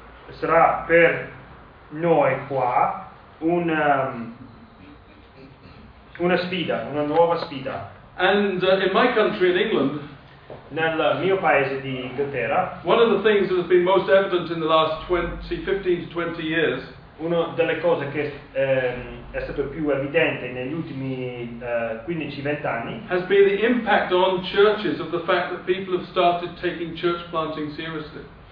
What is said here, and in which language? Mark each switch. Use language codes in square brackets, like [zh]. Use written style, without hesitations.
[it] Sarà per noi qua una sfida, una nuova sfida. [en] And in my country, in England, [it] nel mio paese di Inghilterra, [en] one of the things that has been most evident in the last 15 to 20 years, [it] una delle cose che è stato più evidente negli ultimi 15-20 anni, [en] has been the impact on churches of the fact that people have started taking church planting seriously.